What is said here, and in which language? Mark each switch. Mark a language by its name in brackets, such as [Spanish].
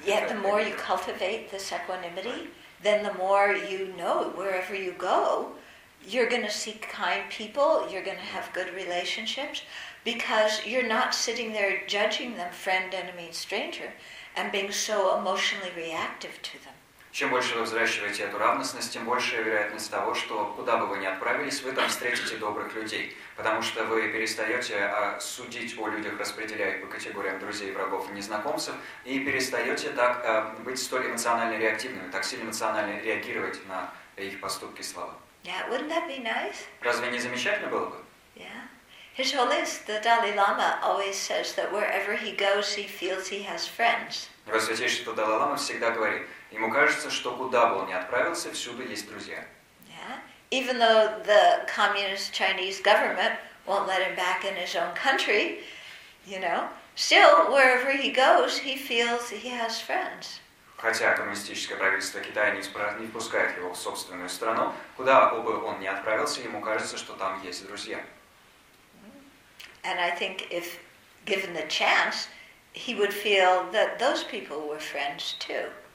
[English] Yeah, the more you cultivate this equanimity, then the more you know wherever you go, you're going to seek kind people, you're going to have good relationships, because you're not sitting there judging them friend, enemy, and stranger. And being so emotionally reactive to them. [Russian] Чем больше вы взращиваете эту равностность, тем больше вероятность того, что куда бы вы ни отправились, вы там встретите добрых людей, потому что вы перестаете судить о людях, распределяя их по категориям друзей, врагов и незнакомцев, и перестаете так быть столь эмоционально реактивными, так сильно эмоционально реагировать на их поступки и слова. [English] Yeah, wouldn't that be nice? [Russian] Разве не замечательно было бы? [English] Yeah. His Holiness, the Dalai Lama, always says that wherever he goes, he feels he has friends. [Russian] Его Святейшество Далай Лама всегда говорит, ему кажется, что куда бы он ни отправился, всюду есть друзья. [English] Even though the communist Chinese government won't let him back in his own country, you know, still wherever he goes, he feels he has friends. [Russian] Хотя коммунистическое правительство Китая не впускает его в собственную страну, куда бы он ни отправился, ему кажется, что там есть друзья. [English] And I think if given the chance, he would feel that those people were friends too.